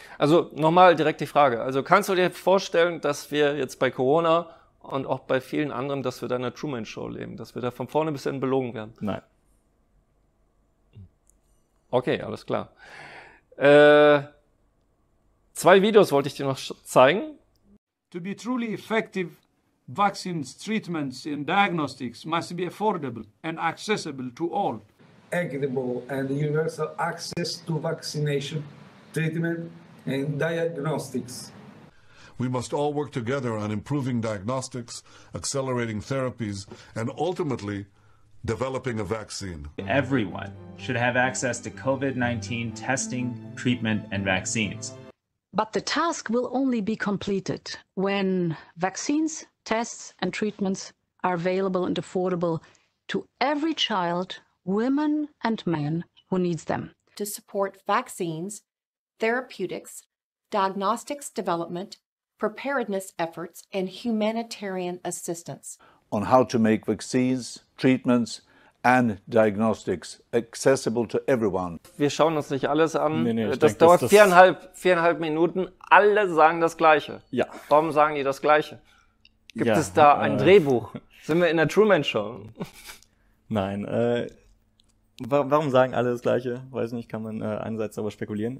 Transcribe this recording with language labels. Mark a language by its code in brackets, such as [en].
[de] Also nochmal direkt die Frage. Also kannst du dir vorstellen, dass wir jetzt bei Corona und auch bei vielen anderen, dass wir da in der Truman-Show leben, dass wir da von vorne bis hin belogen werden? Nein. Okay, alles klar. Zwei Videos wollte ich dir noch zeigen. [en] To be truly effective, vaccines, treatments and diagnostics must be affordable and accessible to all. Equitable and universal access to vaccination, treatment and diagnostics. We must all work together on improving diagnostics, accelerating therapies and ultimately developing a vaccine. Everyone should have access to COVID-19 testing, treatment and vaccines. But the task will only be completed when vaccines, tests and treatments are available and affordable to every child, woman and man who needs them. To support vaccines, therapeutics, diagnostics development, preparedness efforts and humanitarian assistance. On how to make vaccines, treatments and diagnostics accessible to everyone. [de] Wir schauen uns nicht alles an. Nee, das dauert viereinhalb Minuten. Alle sagen das Gleiche. Ja. Warum sagen die das Gleiche? Gibt es da ein Drehbuch? Sind wir in der Truman Show? Nein. Warum sagen alle das Gleiche? Weiß nicht, kann man einerseits darüber spekulieren.